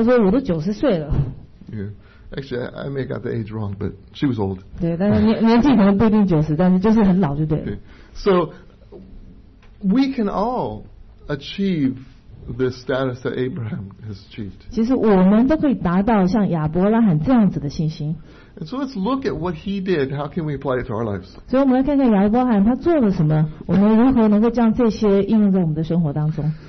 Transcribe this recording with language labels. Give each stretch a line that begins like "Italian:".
Chinese: 所以因为这个亚伯兰太太萨拉，她笑。当天使跟她说，你要有一个儿子的时候，她就在那边笑。她说，我都90岁了。Yeah.
English: Actually, I may have got the age wrong, but she was old.
Chinese: 对，但是年纪可能不一定90，但是就是很老就对了。So,
English: we can all achieve the status that Abraham has achieved.
Chinese: 其实我们都可以达到像亚伯拉罕这样子的信心。
English: And so let's look at what he did. How can we apply it to our lives?
Chinese: 所以我们来看看亚伯拉罕他做了什么，我们如何能够将这些应用在我们的生活当中。